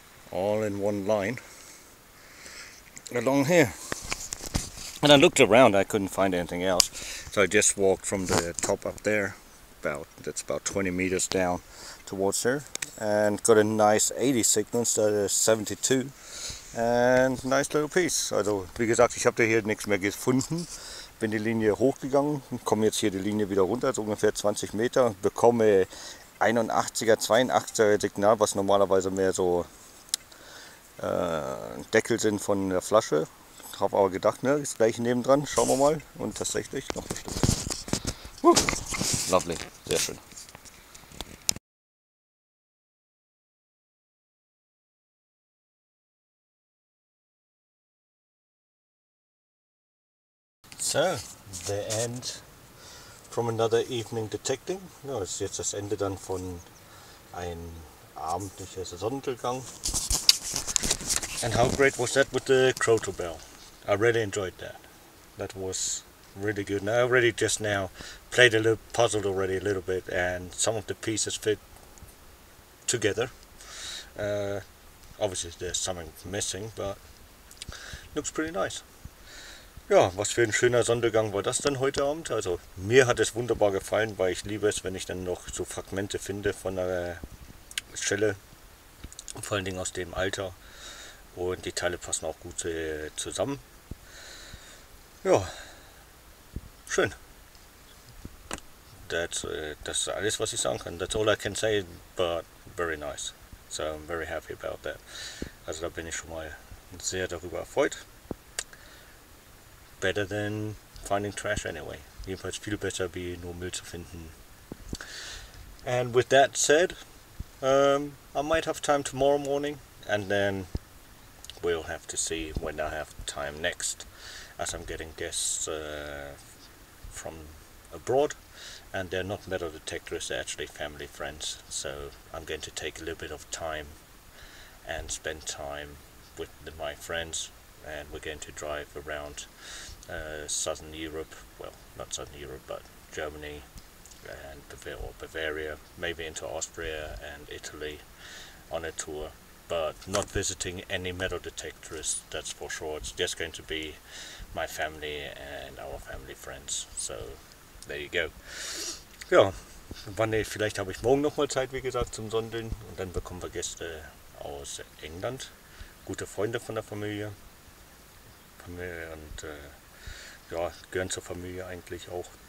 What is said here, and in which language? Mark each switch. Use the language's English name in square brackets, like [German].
[English] All in one line. Along here. And I looked around, I couldn't find anything else. So I just walked from the top up there, about 20 meters down towards there, and got a nice 80 signal instead of 72. And nice little piece. [German] Also wie gesagt, ich habe da hier nichts mehr gefunden. Bin die Linie hochgegangen, komme jetzt hier die Linie wieder runter, also ungefähr 20 Meter, bekomme 81er, 82er Signal, was normalerweise mehr so Deckel sind von der Flasche. Habe aber gedacht, ne, ist gleich nebendran, schauen wir mal. Und tatsächlich noch ein Stück. Lovely, sehr schön. [English] So, the end from another evening detecting. [German] Ja, das ist jetzt das Ende dann von ein abendlicher Sonnenuntergang. [English] And how great was that with the Crotal bell? I really enjoyed that. That was really good. And I already just now played a little puzzled already a little bit, and some of the pieces fit together. Obviously there's something missing, but looks pretty nice. [German] Ja, was für ein schöner Sonnengang war das denn heute Abend? Also mir hat es wunderbar gefallen, weil ich liebe es, wenn ich dann noch so Fragmente finde von einer Schelle. Vor allen Dingen aus dem Alter. Und die Teile passen auch gut zusammen. Ja, schön. Das ist alles, was ich sagen kann. [English] That's all I can say, but very nice. So I'm very happy about that. [German] Also da bin ich schon mal sehr darüber erfreut. [English] Better than finding trash anyway. [German] Jedenfalls viel besser, wie nur Müll zu finden. [English] And with that said, I might have time tomorrow morning, and then we'll have to see when I have time next, as I'm getting guests from abroad, and they're not metal detectors, they're actually family friends, so I'm going to take a little bit of time and spend time with my friends, and we're going to drive around Southern Europe, well, not Southern Europe, but Germany and Bavaria, maybe into Austria and Italy on a tour, but not visiting any metal detectors, that's for sure. It's just going to be my family and our family friends. So there you go. [German] Ja, wann, vielleicht habe ich morgen nochmal Zeit, wie gesagt, zum Sondeln. Und dann bekommen wir Gäste aus England. Gute Freunde von der Familie. Und ja, gehören zur Familie eigentlich auch.